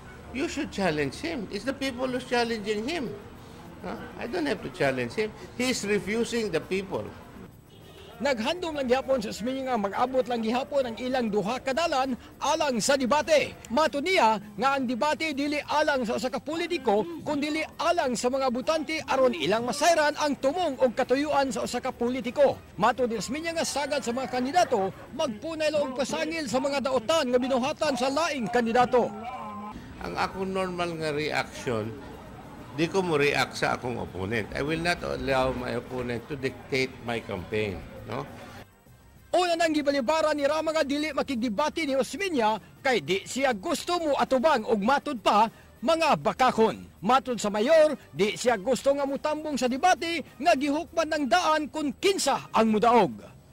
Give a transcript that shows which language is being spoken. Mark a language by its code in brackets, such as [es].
[en] You should challenge him. It's the people who's challenging him. Huh? I don't have to challenge him. He's refusing the people. [ceb] Naghandom lang gihapon si Osmeña nga mag-abot lang gihapon ang ilang duha kadalan alang sa debate. Matud niya nga ang debate dili alang sa usa ka politiko kundi dili alang sa mga butante aron ilang masayran ang tumong og katuyuan sa usa ka politiko. Matud ni Osmeña nga sagad sa mga kandidato magpunay loob pasangil sa mga daotan nga binuhatan sa laing kandidato. Ang ako normal nga reaction, di ko mo react sa akong opponent. [en] I will not allow my opponent to dictate my campaign. [ceb] Una nang gibalibaran ni Rama nga dili makigdebate ni Osmeña kay di siya gusto mo atubang ug matud pa mga bakakon. Matod sa mayor, di siya gusto nga mutambong sa debate nga gihukman ng daan kung kinsa ang mudaog.